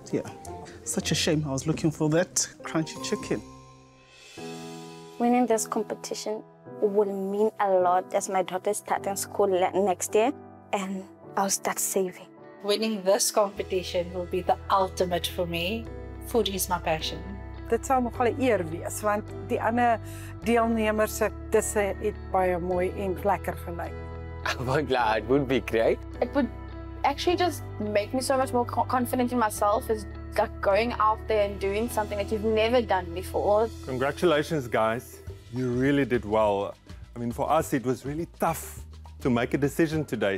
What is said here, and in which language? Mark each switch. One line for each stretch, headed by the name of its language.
English: Yeah. Such a shame, I was looking for that crunchy chicken. Winning this competition will mean a lot as my daughter starting school next year and I'll start saving. Winning this competition will be the ultimate for me. Food is my passion.
Afrikaans: Dit sal nogal 'n eer wees want die ander deelnemers se disse het baie mooi en lekker gelyk.
English: I'm glad it would be great. It would actually just make me so much more confident in myself as going out there and doing something that you've never done before. Congratulations, guys. You really did well. I mean, for us, it was really tough to make a decision today.